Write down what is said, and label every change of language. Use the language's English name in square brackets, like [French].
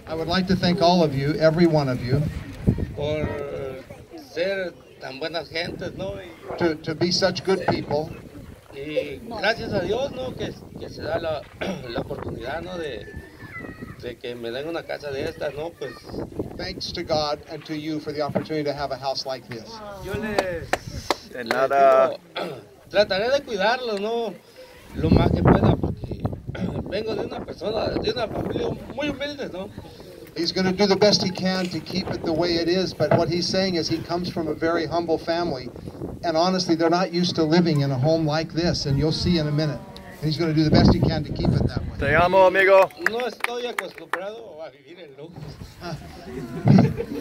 [English] I would like to thank all of you, every one of you, to be such good people. [Spanish] Y gracias a Dios, ¿no?, que se da la oportunidad, ¿no?, de que me den una casa de estas, ¿no?, pues... [English] Thanks to God and to you for the opportunity to have a house like this. [Spanish] Yo les... De nada. Trataré de cuidarlo, ¿no?, lo más que pueda, porque vengo de una persona, de una familia muy humilde, ¿no? [English] He's going to do the best he can to keep it the way it is, but what he's saying is he comes from a very humble family, and honestly, they're not used to living in a home like this, and you'll see in a minute. And he's going to do the best he can to keep it that way. [Spanish] Te amo, amigo. No estoy acostumbrado a vivir en lujo.